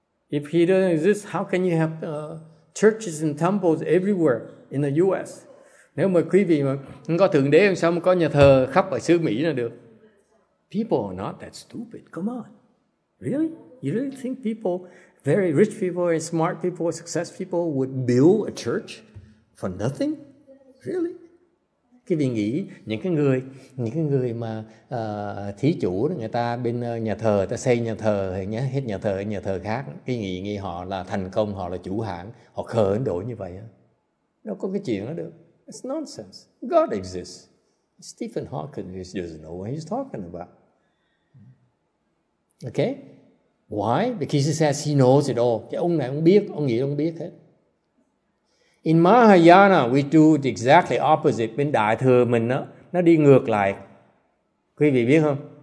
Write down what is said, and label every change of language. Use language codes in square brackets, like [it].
[en] If he doesn't exist, how can you have churches and temples everywhere in the U.S.? [vi] Nếu mà quý vị mà không có Thượng Đế, sao mà có nhà thờ khắp ở xứ Mỹ là được? [en] People are not that stupid. Come on. Really? You really think people, very rich people, smart people, successful people would build a church for nothing? Really? [vi] Quý vị nghĩ những cái người mà thí chủ đó, người ta bên nhà thờ, ta xây nhà thờ nhé, hết nhà thờ nhà thờ khác, cái nghĩ nghĩ họ là thành công, họ là chủ hãng, họ khờ đến độ như vậy, đâu có cái chuyện đó được. [en] It's nonsense. God exists. Stephen Hawking just doesn't know what he's talking about. Okay, why? Because he says he knows it all. [vi] Cái ông này ông biết, ông nghĩ ông biết hết. [en] In Mahayana, we do the exactly opposite. [vi] Bên Đại Thừa mình đó, nó đi ngược lại. Quý vị biết không?